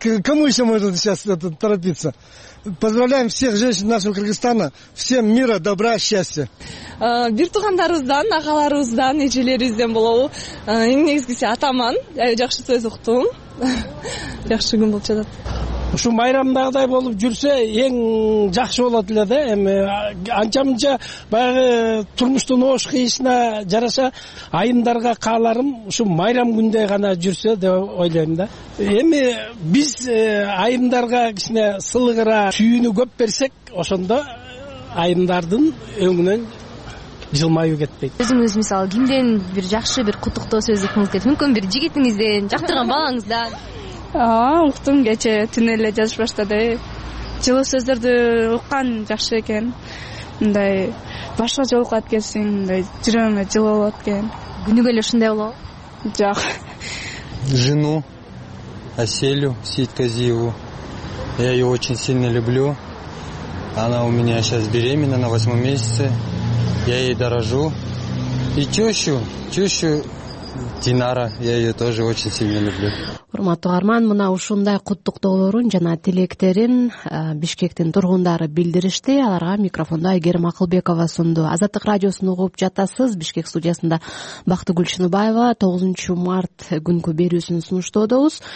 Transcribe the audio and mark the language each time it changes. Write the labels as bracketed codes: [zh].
[ru] Кому еще можно сейчас торопиться? Поздравляем всех женщин нашего Кыргызстана. Всем мира, добра, счастья. [ky] Бир туугандарыбыздан, агаларыбыздан, эжелерибизден болобу. Эң негизгиси атаман. Жакшы сөз уктум. Жакшы күн болчу жатат. Ушул майрамдагыдай болуп жүрсө эң жакшы болот эле да. Эми анча мынча баягы турмуштун оош кыйышына жараша айымдарга кааларым ушул майрам күндө гана жүрсө деп ойлойм да. Эми биз айымдарга кичине сылыгыраак сүйүүнү көп берсек ошондо айымдардын өңүнөн жылмаюу кетпейт. Өзүңүз мисалы кимден бир жакшы бир куттуктоо сөз уккуңуз келет? Мүмкүн бир жигитиңизден, жактырган балаңыздан? Уктум, кече түн эле жазыш баштады. Жылуу сөздөрдү уккан жакшы экен. Мындай башка жолугат келсең, мындай жүрөгүңө жылуу болот экен. Күнүгө эле ушундай болобу? Жок. [ru] Жену Аселю Сейтказиеву я ее очень сильно люблю. Она у меня сейчас беременна на 8-м месяце. Я ей дорожу. И тещу Динара, я ее тоже очень сильно люблю. [ky] Урматтуу арман, мына ушундай куттуктоолорун жана тилектерин Бишкектин тургундары билдиришти. Аларга микрофонду Айгерим Акылбекова сунду. Азаттык радиосун угуп жатасыз. Бишкек студиясында Бактыгүл Чыныбаева 9 март күнкү берүүсүн сунуштоодобуз.